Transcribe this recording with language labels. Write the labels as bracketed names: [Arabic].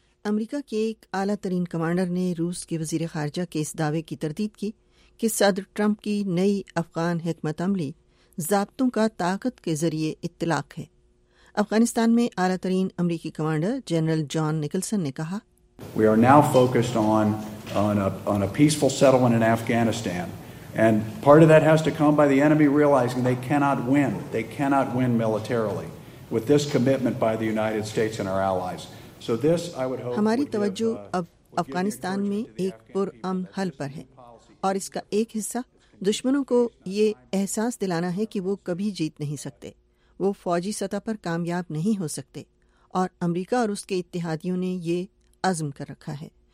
[Hindi] अमरीका के एक आला तरीन कमांडर ने रूस के वजीर खारजा के इस दावे की तरदीद की कि सदर ट्रंप की नई अफगान हिकमत अमली जाब्तों का ताकत के जरिए इतलाक है। अफगानिस्तान में आला तरीन अमरीकी कमांडर जनरल जॉन निकल्सन ने कहा, [English] We are now focused on a peaceful settlement in Afghanistan, and part of that has to come by the enemy realizing they cannot win. They cannot win militarily with this commitment by the United States and our allies. So this, I would hope. [Hindi] हमारी तवज्जो अब अफगानिस्तान में एक पुरअमन हल पर है, और इसका एक हिस्सा दुश्मनों को ये एहसास दिलाना है कि वो कभी जीत नहीं सकते, वो फौजी सतह पर कामयाब नहीं हो सकते, और अमेरिका और उसके इत्तेहादियों ने ये अज़्म कर रखा है।